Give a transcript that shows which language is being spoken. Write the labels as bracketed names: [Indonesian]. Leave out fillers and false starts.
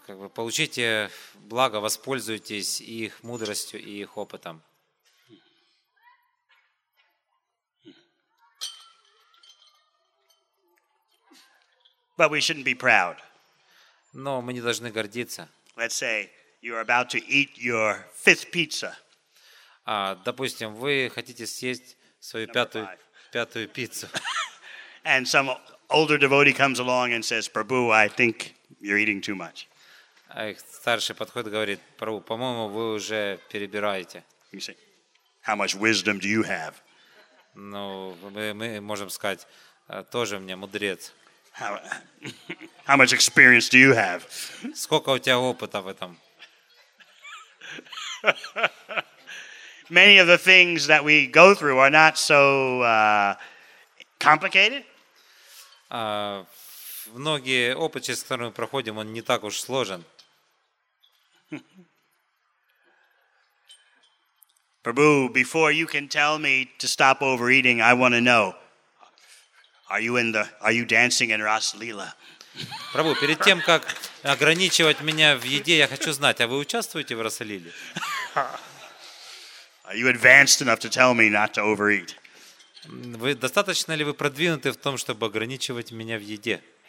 [Russian] Получите благо, воспользуйтесь их мудростью и их опытом. [English] But we shouldn't be proud. [Russian] Но мы не должны гордиться. [English] Let's say you are about to eat your fifth pizza. [Russian] Допустим, вы хотите съесть свою пятую пиццу. [English] And some older devotee comes along and says, "Prabhu, I think you're eating too much." [Russian] Старший подходит и говорит: "Прабу, по-моему, вы уже перебираете." [English] You say, "How much wisdom do you have?" [Russian] Ну, мы можем сказать: "Тоже мне мудрец." [English] How much experience do you have? [Russian] Сколько у тебя опыта в этом? [English] Many of the things that we go through are not so complicated. [Russian] Многие опыты, через которые мы проходим, он не так уж сложен. [English] Prabhu, before you can tell me to stop overeating, I want to know. Are you dancing in Ras Lila? [Russian] Prabhu, перед тем, как ограничивать меня в еде, я хочу знать, а вы участвуете в Рас Лиле? [English] Are you advanced enough to tell me not to overeat? [Russian] Вы достаточно ли вы продвинуты в том, чтобы ограничивать меня в еде?